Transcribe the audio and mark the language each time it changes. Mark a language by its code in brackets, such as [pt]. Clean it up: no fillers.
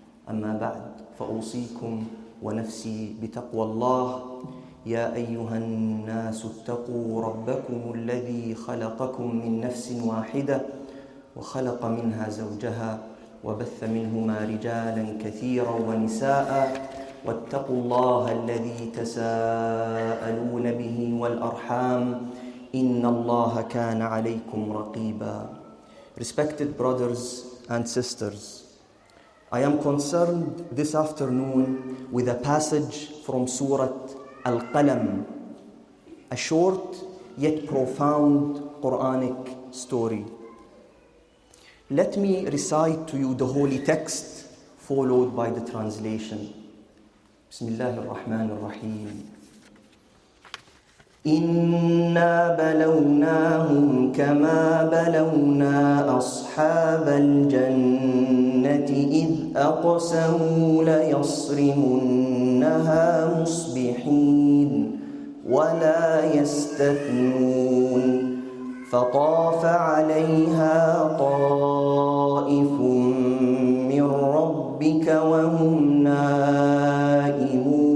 [ar] أما بعد فأوصيكم ونفسي بتقوى الله يا أيها الناس اتقوا ربكم الذي خلقكم من نفس واحدة وخلق منها زوجها وبث منهما رجالا كثيرا ونساء واتقوا الله الذي تساءلون به والأرحام إن الله كان عليكم رقيبا. [en] Respected brothers and sisters, I am concerned this afternoon with a passage from Surah Al-Qalam, a short yet profound Quranic story. Let me recite to you the holy text followed by the translation. [ar] Bismillah ar-Rahman ar-Rahim. إنا بلوناهم كما بلونا أصحاب الجنة إذ أقسموا ليصرمنها مصبحين ولا يستثنون فطاف عليها طائف من ربك وهم نائمون